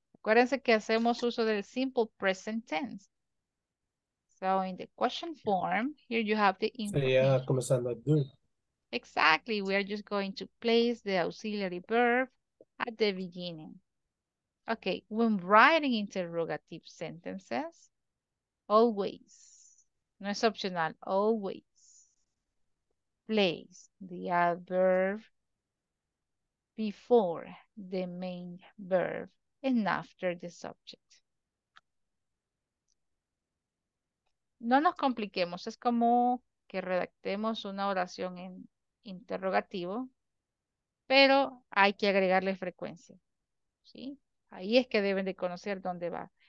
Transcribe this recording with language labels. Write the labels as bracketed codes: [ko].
[es] Acuérdense que hacemos uso del simple present tense. [en] So, in the question form, here you have the information. [es] Sería comenzando a do. [en] Exactly. We are just going to place the auxiliary verb at the beginning. Okay. When writing interrogative sentences, always, [es] no es opcional, [en] always place the adverb before the main verb and after the subject. [es] No nos compliquemos. Es como que redactemos una oración en interrogativo, pero hay que agregarle frecuencia. ¿Sí? Ahí es que deben de conocer dónde va.